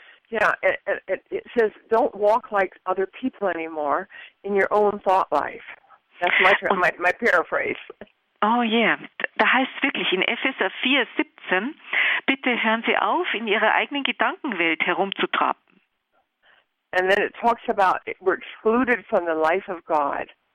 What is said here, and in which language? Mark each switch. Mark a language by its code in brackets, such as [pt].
[en] Ja, it says, don't walk like other people anymore in your own thought life. That's my paraphrase. [de] Oh yeah, da heißt es wirklich in Epheser 4, 17, bitte hören Sie auf, in Ihrer eigenen Gedankenwelt herumzutrappen. [en] And then it talks about, we're excluded from the life of God.